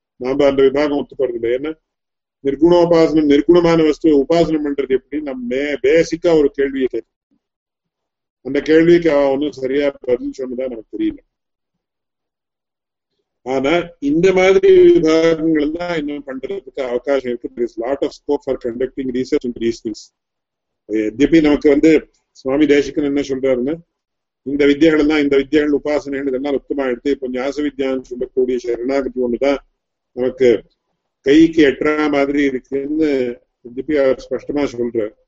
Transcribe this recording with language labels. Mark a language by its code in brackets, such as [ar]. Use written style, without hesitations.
[ta] நாம அந்த விபாகம் ஒத்துப்படுறது இல்லை. ஏன்னா நிர்குணோபாசனம், நிர்குணமான வஸ்துவை உபாசனம் பண்றது எப்படி, நம்ம பேசிக்கா ஒரு கேள்வியை கேட்கணும். அந்த கேள்விக்கு அவன் ஒன்னும் சரியா பதில் சொன்னதான் நமக்கு தெரியல. ஆனா இந்த மாதிரி விபாகங்கள் தான் இன்னும் பண்றதுக்கு அவகாசம் இருக்கு. [en] There is lot of scope for conducting research into these things. [ta] எப்படி நமக்கு வந்து சுவாமி தேசிகன் என்ன சொல்றாருன்னா, இந்த வித்தியகள் தான், இந்த வித்தியகள் உபாசனைகள் இதெல்லாம் ஒத்துமா எடுத்து இப்ப ஞாச வித்யான்னு சொல்லக்கூடிய சரணாகதி ஒண்ணுதான் நமக்கு கைக்கு எட்டுற மாதிரி இருக்குன்னு திருப்பி அவர் ஸ்பஷ்டமா சொல்ற.